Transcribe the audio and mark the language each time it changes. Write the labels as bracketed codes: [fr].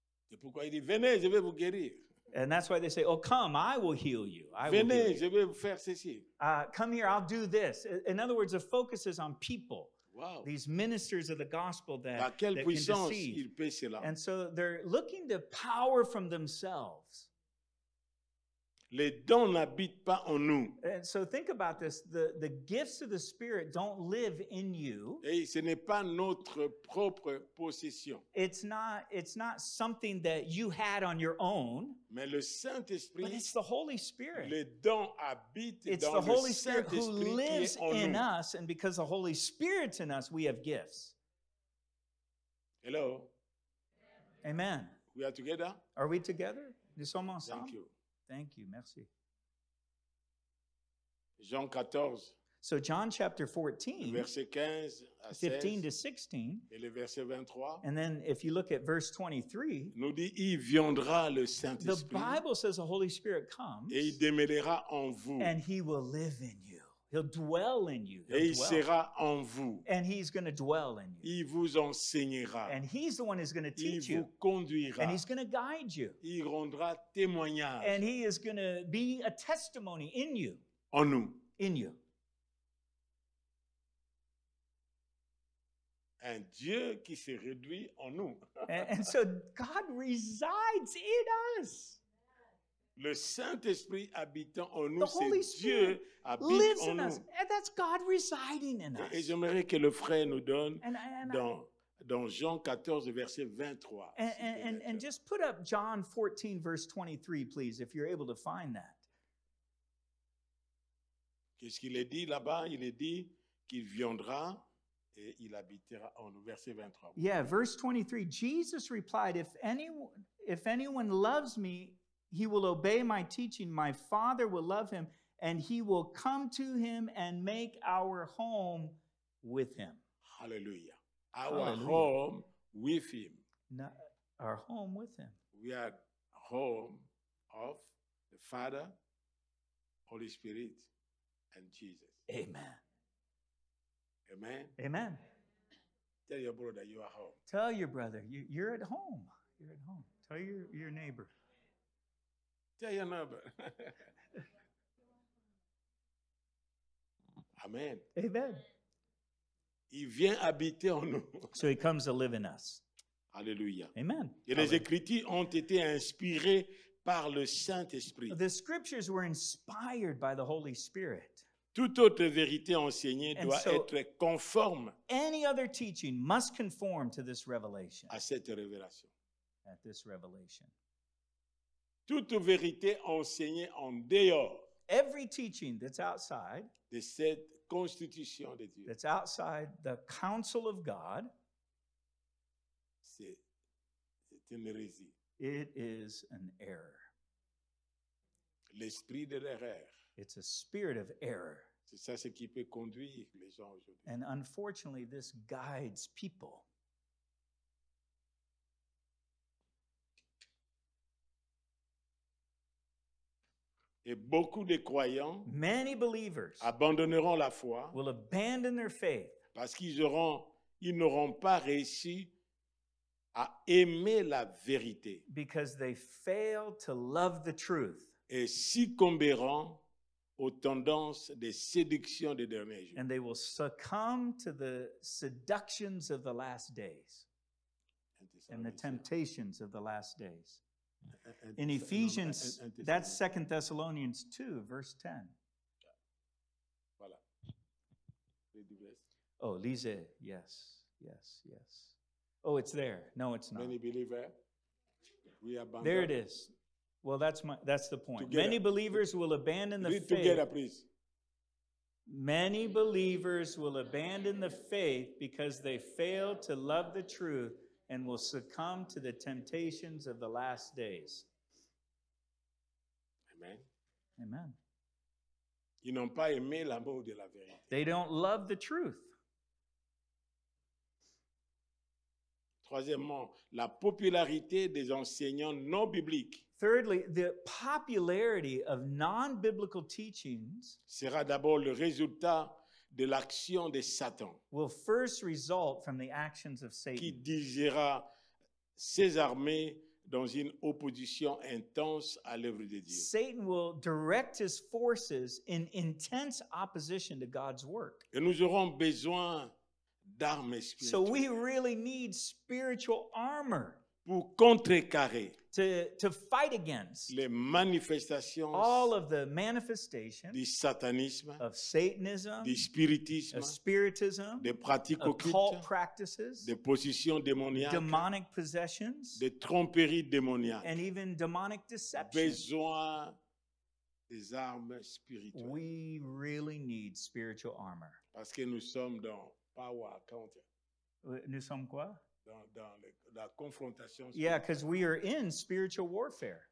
[fr] C'est pourquoi il dit, venez, je vais vous guérir. [en] And that's why they say, oh, come, I will heal you. [fr] Venez, je vais vous faire ceci. [en] Come here, I'll do this. In other words, the focus is on people. Wow. These ministers of the gospel that, [fr] dans quelle [en] that [fr] puissance [en] can deceive. [fr] Il peut cela? [en] And so they're looking to power from themselves. [fr] Les dons n'habitent pas en nous. [en] And so think about this. The gifts of the Spirit don't live in you. [fr] Et ce n'est pas notre propre possession. [en] It's not something that you had on your own. [fr] Mais le Saint-Esprit, [en] but it's the Holy Spirit. [fr] Les dons habitent [en] it's [fr] dans [en] the Holy [fr] le Saint-Esprit [en] Spirit who lives in [fr] nous. [en] Us. And because the Holy Spirit's in us, we have gifts. Hello. Amen. We are together. Are we together? [fr] Nous sommes ensemble. [en] Thank you. Thank you. Merci. [fr] Jean 14. [en] So John chapter 14. [fr] Verset 15 to 16. Et le verset 23. [en] And then if you look at verse 23. [fr] Nous dit, il viendra le Saint-Esprit. [en] The Bible says the Holy Spirit comes. [fr] Et il demeurera en vous. [en] And he will live in you. He'll dwell in you. He'll [fr] et il [en] dwell. [fr] Sera en vous. [en] And he's going to dwell in you. [fr] Il vous enseignera. [en] And he's the one who's going to teach [fr] il vous [en] you. [fr] Conduira. [en] And he's going to guide you. [fr] Il rendra témoignage. [en] And he is going to be a testimony in you. [fr] En nous. [en] In you. [fr] Un Dieu qui se réduit en nous. [en] And so God resides in us. [fr] Le Saint-Esprit habitant en nous, [en] the Holy [fr] c'est Dieu habite lives en nous. [en] And that's God residing in us. [fr] Et j'aimerais que le frère nous donne dans Jean 14, verset 23. [en] And just put up John 14, verse 23, please, if you're able to find that. [fr] Qu'est-ce qu'il est dit là-bas? Il est dit qu'il viendra et il habitera en nous. Verset 23. [en] Yeah, verse 23. Jesus replied, if anyone loves me, he will obey my teaching. My Father will love him, and he will come to him and make our home with him. Hallelujah. Home with him. Our home with him. We are home of the Father, Holy Spirit, and Jesus. Amen. Amen. Amen. Tell your brother you are home. Tell your brother. You're at home. You're at home. Tell your neighbor. Tell your neighbor. Amen. Amen. [fr] Il vient habiter en nous. [en] So he comes to live in us. [fr] Alléluia. Amen. Et Alléluia. Les Écritures ont été inspirées par le Saint-Esprit. [en] The scriptures were inspired by the Holy Spirit. [fr] Toute autre vérité enseignée [en] and [fr] doit [en] so [fr] être conforme. [en] Any other teaching must conform to this revelation. [fr] À cette révélation. [en] At this revelation. [fr] Toute vérité enseignée en dehors [en] every teaching that's outside [fr] de cette constitution de Dieu [en] that's outside the counsel of God [fr] c'est une hérésie. [en] It is an error. [fr] L'esprit de l'erreur. [en] It's a spirit of error. [fr] C'est ça ce qui peut conduire les gens aujourd'hui. [en] And unfortunately, this guides people. [fr] Et beaucoup de croyants [en] many believers [fr] abandonneront la foi [en] will abandon their faith [fr] parce qu'ils n'auront pas réussi à aimer la vérité [en] because they fail to love the truth [fr] et succomberont aux tendances des séductions des derniers jours [en] and they will succumb to the seductions of the last days and the temptations of the last days. In Ephesians, that's 2 Thessalonians 2, verse 10. [fr] Voilà. [en] Oh, lise, yes, yes, yes. Oh, it's there. No, it's not. Many believers, we abandon. There it is. Well, that's the point. Together. Many believers will abandon the read faith. Together, please. Many believers will abandon the faith because they fail to love the truth. And will succumb to the temptations of the last days. Amen. Amen. [fr] Ils n'ont pas aimé l'amour de la vérité. [en] They don't love the truth. [fr] Troisièmement, la popularité des enseignants non bibliques. [en] Thirdly, the popularity of non-biblical teachings [fr] sera d'abord le résultat de l'action de Satan, [en] will first result from the actions of Satan [fr] qui dirigera ses armées dans une opposition intense à l'œuvre de Dieu. [en] Satan will direct his forces in intense opposition to God's work. [fr] Et nous aurons besoin d'armes spirituelles. [en] So we really need spiritual armor [fr] pour contrecarrer [en] to fight against [fr] les manifestations, [en] all of the manifestations, [fr] du satanisme, [en] of Satanism, [fr] du spiritisme, [en] of spiritism, [fr] des pratiques occultes, [en] occult practices, [fr] des positions démoniaques, [en] demonic possessions, [fr] des tromperies démoniaques, [en] and even demonic deception. [fr] Besoin des armes spirituelles. [en] We really need spiritual armor. [fr] Parce que nous sommes dans [en] power counter. [fr] Nous sommes quoi? Dans la confrontation. [en] Yeah, because we are in spiritual warfare.